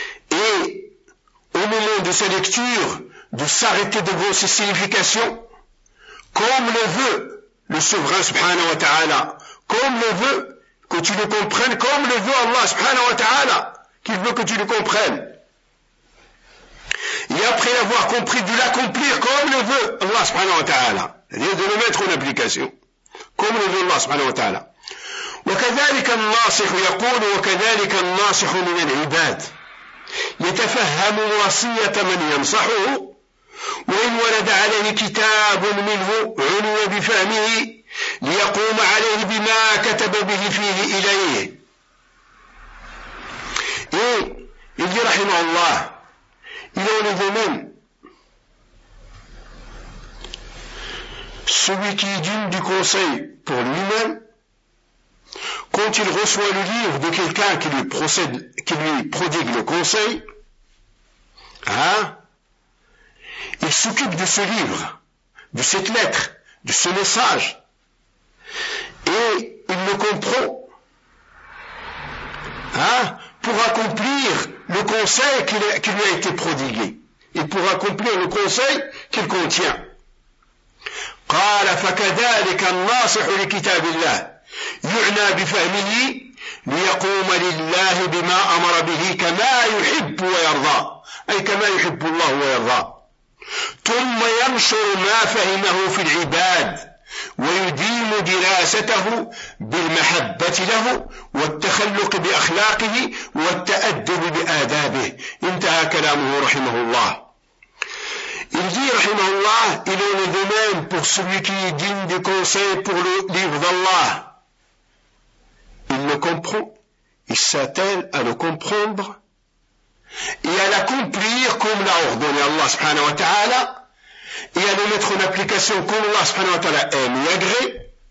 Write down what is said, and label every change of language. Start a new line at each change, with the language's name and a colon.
French: Et au moment de sa lecture, de s'arrêter devant ses significations, comme le veut le souverain subhanahu wa ta'ala, comme le veut que tu le comprennes, comme le veut Allah subhanahu wa ta'ala, qu'il veut que tu le comprennes. Et après avoir compris, de l'accomplir comme le veut Allah subhanahu wa ta'ala. C'est-à-dire de le mettre en application, comme le veut Allah subhanahu wa ta'ala.
Arabic: وكذلك الناصح يقول وكذلك الناصح من العباد يتفهم وصية من ينصحه وإن ولد عليه كتاب منه عنو بفهمه ليقوم عليه بما كتب به فيه إليه.
French: Et il dit
Arabic: رحمه الله,
French: il en est de même celui qui donne du conseil pour lui-même. Quand il reçoit le livre de quelqu'un qui lui prodigue le conseil, il s'occupe de ce livre, de cette lettre, de ce message, et il le comprend, pour accomplir le conseil qui lui a été prodigué, et pour accomplir le conseil qu'il contient.
Arabic: قال فكذلك الناصح لكتاب الله يعنى بفهمه ليقوم لله بما أمر به كما يحب ويرضى, أي كما يحب الله ويرضى, ثم ينشر ما فهمه في العباد ويديم دراسته بالمحبة له والتخلق بأخلاقه والتأدب بآدابه. انتهى كلامه رحمه الله.
French: Il dit, rahimahullah, il en est de même pour celui qui est digne de conseil pour le livre d'Allah. Il le comprend, il s'attelle à le comprendre et à l'accomplir comme l'a ordonné Allah subhanahu wa ta'ala et à le mettre en application comme Allah subhanahu wa ta'ala aime et agrée.